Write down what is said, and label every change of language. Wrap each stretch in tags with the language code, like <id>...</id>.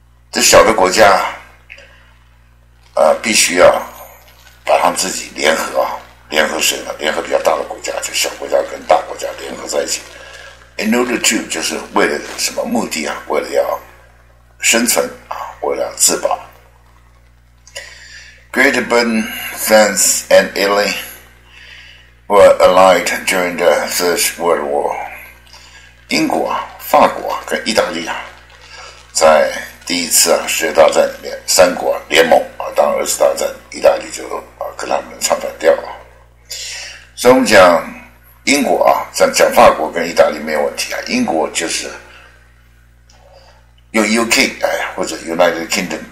<zh>这小的国家必须要把他们自己联合啊。联合谁呢？联合比较大的国家，就小国家跟大国家。</zh> <en>in order to</en> <zh>就是为了什么目的啊？为了要生存啊，为了自保。</zh> <en>Great Britain, France, and Italy were allied during the Third World War.</en> <zh>英国、法国跟意大利啊，在第一次啊世界大战里面，三国联盟啊，当二次大战意大利就啊跟他们唱反调了。所以我们讲英国啊，讲讲法国跟意大利没有问题啊，英国就是用 UK 哎，或者 United Kingdom。</zh>